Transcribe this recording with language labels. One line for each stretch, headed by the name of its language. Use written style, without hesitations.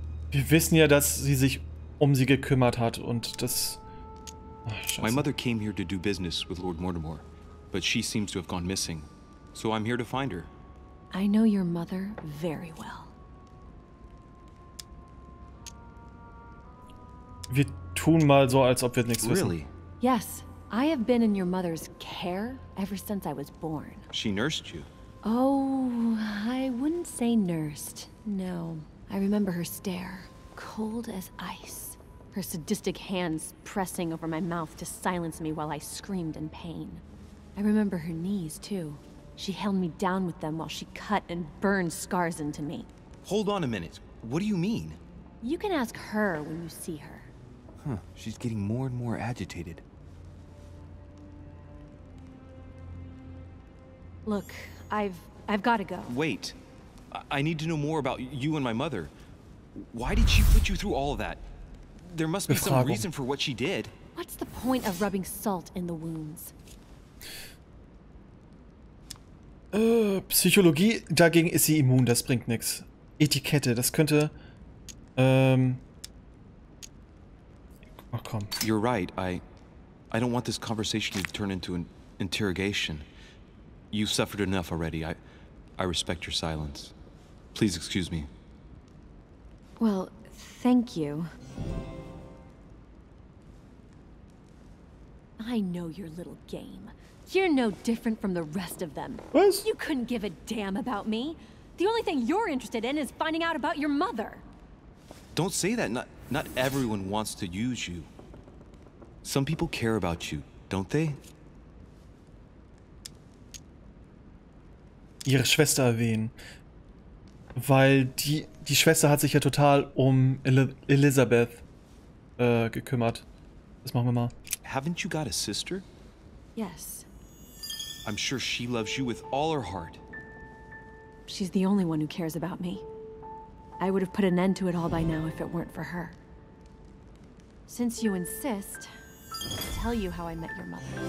German: Wir wissen ja, dass sie sich um sie gekümmert hat und das...
English: Ach, my mother came here to do business with Lord Mortimer, but she seems to have gone missing. So I'm here to find her. I know your mother very well.
German: Wir tun mal so, als ob wir nichts wissen.
English: Really? Yes, I have been in your mother's care ever since I was born. She nursed you. Oh, I wouldn't say nursed. No, I remember her stare, cold as ice. Her sadistic hands pressing over my mouth to silence me while I screamed in pain. I remember her knees, too. She held me down with them while she cut and burned scars into me. Hold on a minute. What do you mean? You can ask her when you see her. Huh. She's getting more and more agitated. Look, I've got to go. Wait. I need to know more about you and my mother. Why did she put you through all of that? There must be some reason for what she did. What's the point of rubbing salt in the wounds?
German: Psychologie, dagegen ist sie immun, das bringt nichts. Etikette, das könnte. Ach komm.
English: You're right. I don't want this conversation to turn into an interrogation. You've suffered enough already. I respect your silence. Please excuse me. Well, thank you. I know your little game. You're no different from the rest of them.
German: Was?
English: You couldn't give a damn about me. The only thing you're interested in is finding out about your mother. Don't say that. Not everyone wants to use you. Some people care about you, don't they?
German: Ihre Schwester erwähnen. Weil die Schwester hat sich ja total um Elisabeth gekümmert. Das machen wir mal.
English: Haven't you got a sister? Yes. I'm sure she loves you with all her heart. She's the only one who cares about me. I would have put an end to it all by now if it weren't for her. Since you insist, I'll tell you how I met your mother.